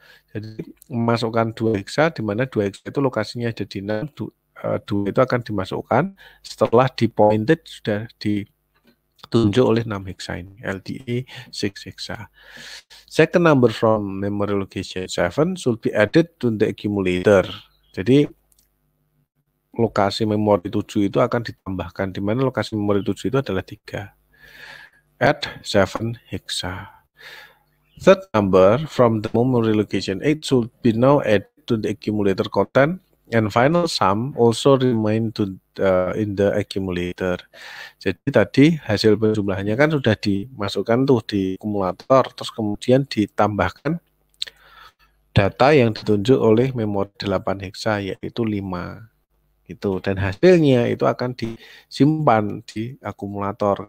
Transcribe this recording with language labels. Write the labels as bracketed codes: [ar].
[id] Jadi masukkan 2 hexa, di mana 2 hexa itu lokasinya ada di 6, 2 itu akan dimasukkan setelah dipointed, sudah ditunjuk oleh 6 hexa ini, LDA 6 hexa. [en] Second number from memory location 7 should be added to the accumulator. [id] Jadi lokasi memori 7 itu akan ditambahkan, di mana lokasi memori 7 itu adalah 3. [en] Add 7 hexa. Third number from the memory location 8 should be now added to the accumulator content, and final sum also remain to in the accumulator. [id] Jadi tadi hasil penjumlahnya kan sudah dimasukkan tuh di akumulator, terus kemudian ditambahkan data yang ditunjuk oleh memori 8 hexa yaitu 5. Gitu. Dan hasilnya itu akan disimpan di akumulator.